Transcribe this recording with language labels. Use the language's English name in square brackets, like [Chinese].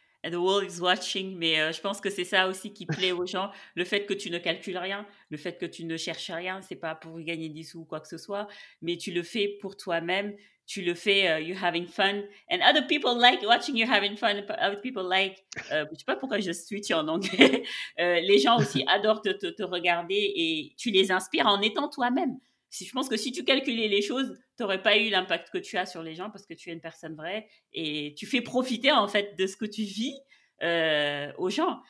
[English] The world is watching, [French] mais je pense que c'est ça aussi qui plaît aux gens. Le fait que tu ne calcules rien, le fait que tu ne cherches rien, c'est pas pour gagner des sous ou quoi que ce soit, mais tu le fais pour toi-même. Tu le fais, [English] you're having fun. And other people like watching you having fun. Other people like, [French] je sais pas pourquoi je switch en anglais. Les gens aussi adorent te regarder et tu les inspires en étant toi-même. Je pense que si tu calculais les choses, tu n'aurais pas eu l'impact que tu as sur les gens parce que tu es une personne vraie et tu fais profiter en fait de ce que tu vis aux gens.